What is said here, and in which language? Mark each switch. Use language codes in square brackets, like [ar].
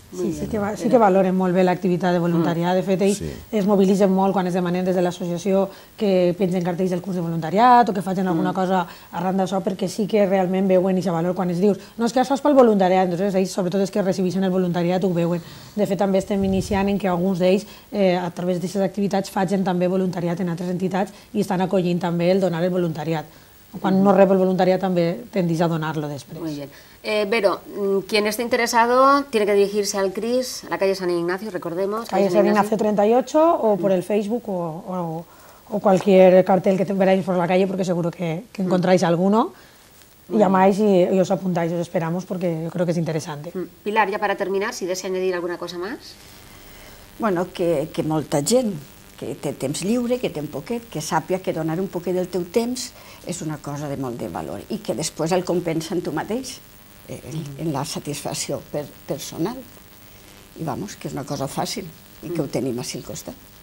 [ca] Sí que valoren molt bé l'activitat de voluntariat, de fet ells es mobilitzen molt quan es demanen des de l'associació que pengen cartells del curs de voluntariat o que facin alguna cosa arran d'això, perquè sí que realment veuen aquest valor quan es dius, no, és que això és pel voluntariat, doncs ells sobretot és que recibeixen el voluntariat ho veuen. De fet també estem iniciant en que alguns d'ells a través d'aquestes activitats facin també voluntariat en altres entitats i estan acollint també el donar el voluntariat. Quan no rep el voluntariat també tendeix a donar-lo després. [es] Muy bien. Vero, quien esté interesado tiene que dirigirse al CRIS, a la calle San Ignacio, recordemos. Calle San Ignacio 38 o por el Facebook o cualquier cartel que veáis por la calle, porque seguro que encontráis alguno. Llamáis y os apuntáis, os esperamos, porque yo creo que es interesante. Pilar, ya para terminar, si desea añadir alguna cosa más. Bueno, [ca] que molta gent, que té temps lliure, que té un poquet, que sàpiga que donar un poquet del teu temps és una cosa de molt de valor i que després el compensa en tu mateix. En la satisfacció personal i [es] vamos, [ca] que és una cosa fàcil i que ho tenim així al costat.